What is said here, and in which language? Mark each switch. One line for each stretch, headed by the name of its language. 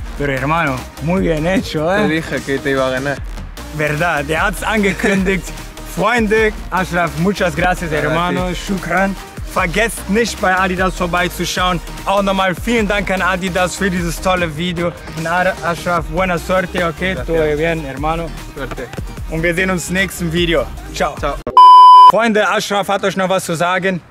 Spanish: Pero hermano, muy bien hecho, Te dije que te iba a ganar. Verdad,
German: der hat's angekündigt. Freunde,
Spanish: Ashraf, muchas gracias, hermano.
Arabic: Shukran.
German: Vergesst nicht, bei Adidas vorbeizuschauen. Auch nochmal vielen Dank an Adidas für dieses tolle Video. Und
Spanish: Ashraf, buena suerte, okay? Gracias. Todo bien, hermano. Suerte.
German: Und wir sehen uns im nächsten Video.
Italian: Ciao. Ciao.
German: Freunde, Ashraf hat euch noch was zu sagen.